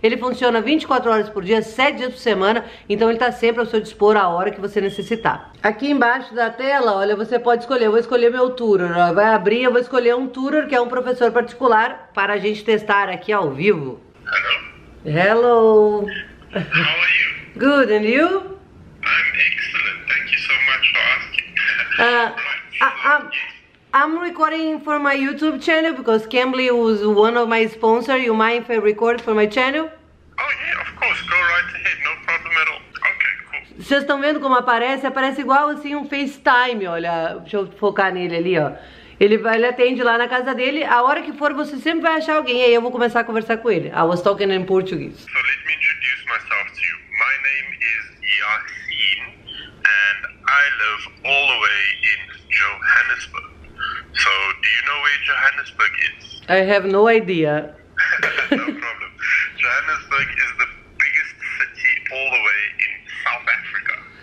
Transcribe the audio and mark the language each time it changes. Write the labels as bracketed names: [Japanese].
[Portuguese] Ele funciona 24 horas por dia, 7 dias por semana, então ele tá sempre ao seu dispor a hora que você necessitar. Aqui embaixo da tela, olha, você pode escolher, eu vou escolher meu tutor. Vai abrir, eu vou escolher um tutor, que é um professor particular, para a gente testar aqui ao vivo. [English] Hello. How are you? Good, and you? I'm excellent, thank you so much for asking. I'm recording for my YouTube channel because Cambly was one of my sponsors. You mind if I record for my channel? Oh yeah, of course, go right ahead, no problem at all. [Portuguese] Vocês estão vendo como aparece? Aparece igual assim um FaceTime, olha. Deixa eu focar nele ali, ó. Ele atende lá na casa dele. A hora que for, você sempre vai achar alguém. Aí eu vou começar a conversar com ele. [English] I was talking in Portuguese. So let me introduce myself to you. My name is Yasin and I live all the way in Johannesburg. So do you know where Johannesburg is? I have no idea. No problem. Johannesburg is the biggest city all the way in South Africa.